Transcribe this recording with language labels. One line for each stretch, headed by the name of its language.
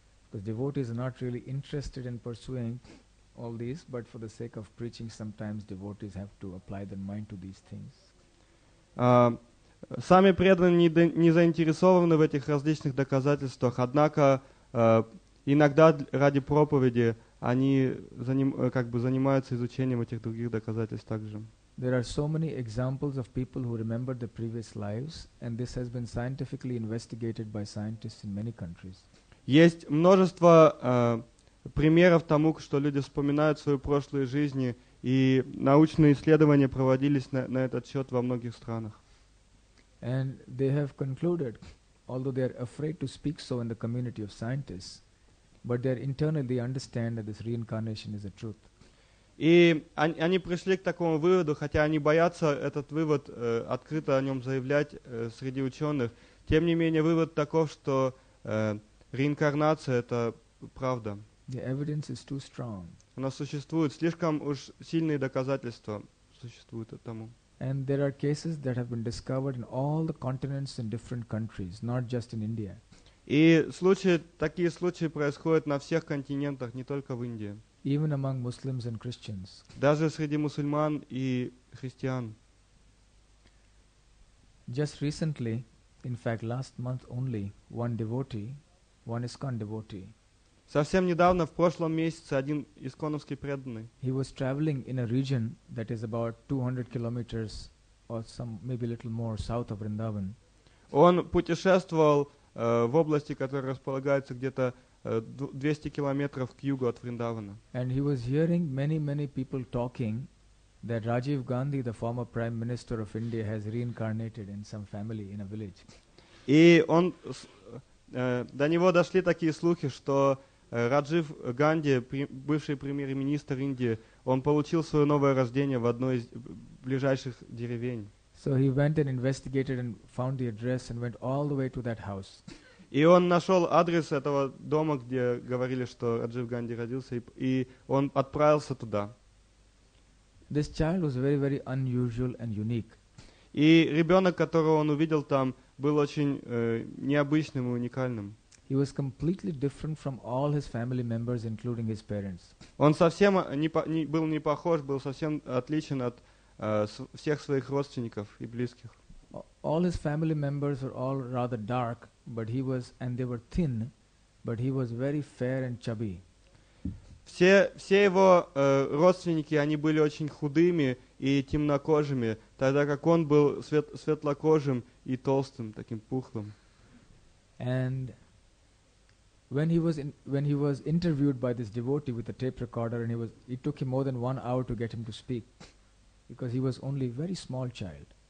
English: Because devotees are not really interested in pursuing all these, but for the sake of preaching, sometimes devotees have to apply their mind to these things.
Russian: Сами преданные не заинтересованы в этих различных доказательствах, однако иногда ради проповеди они занимаются изучением этих других доказательств также.
English: There are so many examples of people who remember their previous lives, and this has been scientifically investigated by scientists in many countries.
Russian: Есть множество примеров тому, что люди вспоминают свою прошлую жизнь, и научные исследования проводились на этот счет во многих странах.
English: And they have concluded, although they are afraid to speak so in the community of scientists, but they internally understand that this reincarnation is a truth.
Russian: И они пришли к такому выводу, хотя они боятся этот вывод открыто о нем заявлять среди ученых. Тем не менее, вывод таков, что реинкарнация — это правда.
English: The evidence is too strong.
Russian: Она существует. Слишком уж сильные доказательства существуют этому.
English: And there are cases that have been discovered in all the continents in different countries, not just in India.
Russian: И случаи, такие случаи происходят на всех континентах, не только в Индии.
English: Even among Muslims and Christians.
Russian: Даже среди мусульман и христиан.
English: Just recently, in fact, last month only, one devotee, one ISKCON devotee.
Russian: Совсем недавно, в прошлом месяце, один исконовский преданный.
English: He was traveling in a region that is about 200 kilometers or some maybe a little more south of Vrindavan.
Russian: Он путешествовал в области, которая располагается где-то 200 километров к югу от Вриндавана.
English: And he was hearing many people talking that Rajiv Gandhi, the former prime minister of India, has reincarnated in some family in a village.
Russian: И он до него дошли такие слухи, что Раджив Ганди, бывший премьер-министр Индии, он получил свое новое рождение в одной из ближайших деревень.
English: So he went and investigated and found the address and went all the way to that house.
Russian: И он нашел адрес этого дома, где говорили, что Раджив Ганди родился, и он отправился туда.
English: This child was very unusual and unique.
Russian: И ребенок, которого он увидел там, был очень необычным и уникальным.
English: He was completely different from all his family members, including his parents.
Russian: Он совсем был не похож, был совсем отличен от всех своих родственников и близких.
English: All his family members were all rather dark, but he was, and they were thin, but he was very fair and chubby.
Russian: Все его родственники, они были очень худыми и темнокожими, тогда как он был светлокожим и толстым, таким пухлым.
English: And when he was interviewed by this devotee with a tape recorder, and it took him more than 1 hour to get him to speak, because he was only a very small child.